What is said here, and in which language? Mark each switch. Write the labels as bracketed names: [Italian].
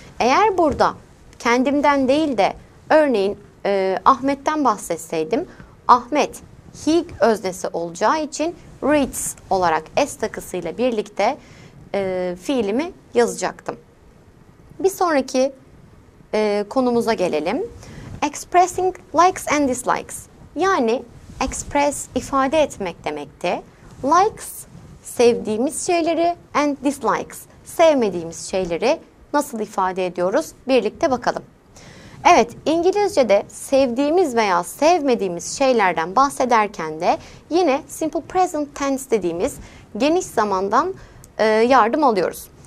[Turkish] Eğer burada kendimden değil de örneğin Ahmet'ten bahsetseydim, Ahmet he öznesi olacağı için reads olarak s takısıyla birlikte fiilimi yazacaktım. Bir sonraki konumuza gelelim. [English] Expressing likes and dislikes. [Turkish] Yani express ifade etmek demekti. Likes sevdiğimiz şeyleri and dislikes sevmediğimiz şeyleri nasıl ifade ediyoruz? Birlikte bakalım. Evet, İngilizce'de sevdiğimiz veya sevmediğimiz şeylerden bahsederken de yine simple present tense dediğimiz geniş zamandan yardım alıyoruz.